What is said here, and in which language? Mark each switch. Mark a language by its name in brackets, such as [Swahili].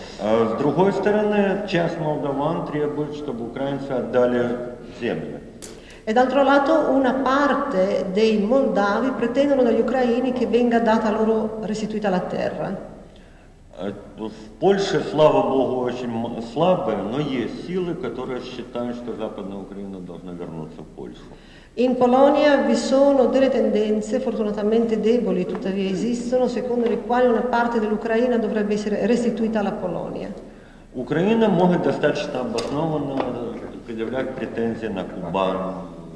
[Russian] С другой стороны, часть молдаван требует, чтобы украинцы отдали землю. [Italian] E d'altro lato una parte dei moldavi pretendono dagli ucraini che venga data loro restituita la terra. [Russian] В Польше, слава Богу, очень слабая, но есть силы, которые считают, что Западная Украина должна вернуться в Польшу. [Italian] In Polonia vi sono delle tendenze, fortunatamente deboli, tuttavia esistono, secondo le quali una parte dell'Ucraina dovrebbe essere restituita alla Polonia. [Russian] Украина может достаточно обоснованно предъявлять претензии на Кубань.